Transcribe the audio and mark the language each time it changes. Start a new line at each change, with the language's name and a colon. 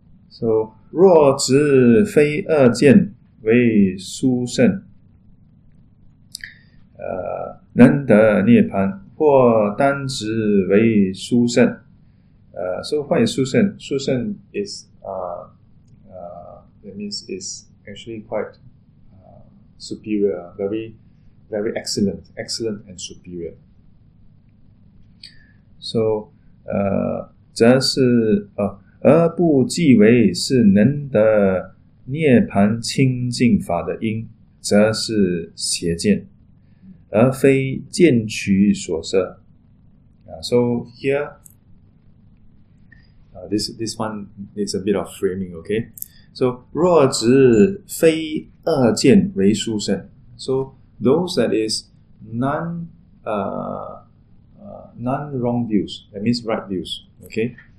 Chinese: So, 若执非二见为殊胜, 能得涅槃, 或单执为殊胜.
English: So, what is
Chinese: 殊胜?
English: 殊胜 is, that means is actually quite superior, very, very excellent, excellent and superior.
Chinese: So, 则是, 而不即为是能得涅槃清净法的因，则是邪见，而非见取所摄.
English: So here, this one needs a bit of framing, okay?
Chinese: So 若执非二见为殊胜.
English: So those that is none wrong views, that means right views, okay?